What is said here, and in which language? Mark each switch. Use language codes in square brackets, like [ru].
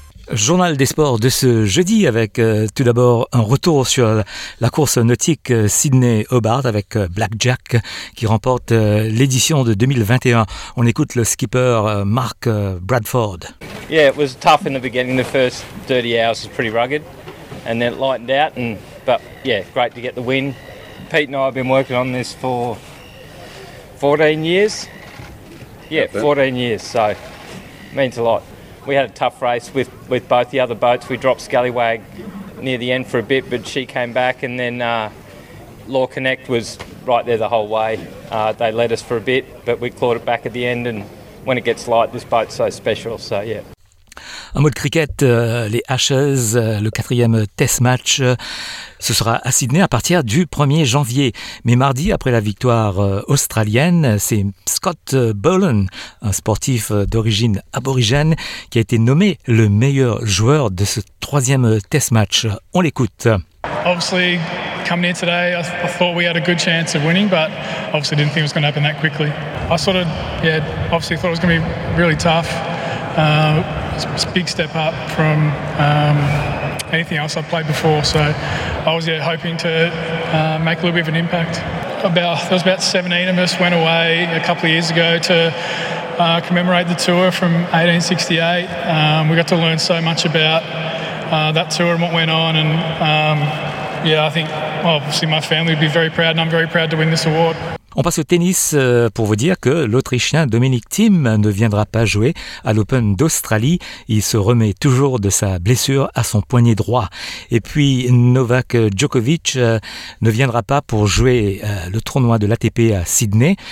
[fr] Journal des sports de ce jeudi avec tout d'abord un retour sur la course nautique Sydney-Hobart avec Black Jack qui remporte l'édition de 2021. On écoute le skipper Mark Bradford. [en] Yeah, it was tough in the beginning. The first 30 hours was pretty rugged and then it lightened out. But yeah, great to get the win. Pete and I have been working on this for 14 years. Yeah, 14 years, so it means a lot. We had a tough race with both the other boats. We dropped Scallywag near the end for a bit, but she came back, and then Law Connect was right there the whole way. They led us for a bit, but we clawed it back at the end, and when it gets light, this boat's so special, so yeah. [fr] Un mot de cricket, les Ashes, le quatrième test match, ce sera à Sydney à partir du 1er janvier. Mais mardi, après la victoire australienne, c'est Scott Boland, un sportif d'origine aborigène, qui a été nommé le meilleur joueur de ce troisième test match. On l'écoute. [en] Obviously, coming here today, I thought we had a good chance of winning, but obviously didn't think it was going to happen that quickly. I sort of, yeah, obviously thought it was going to be really tough. It's a big step up from anything else I've played before, so I was hoping to make a little bit of an impact. There was about 17 of us went away a couple of years ago to commemorate the tour from 1868. We got to learn so much about that tour and what went on, and I think, well, obviously my family would be very proud, and I'm very proud to win this award. [fr] On passe au tennis pour vous dire que l'Autrichien Dominic Thiem ne viendra pas jouer à l'Open d'Australie. Il se remet toujours de sa blessure à son poignet droit. Et puis Novak Djokovic ne viendra pas pour jouer le tournoi de l'ATP à Sydney.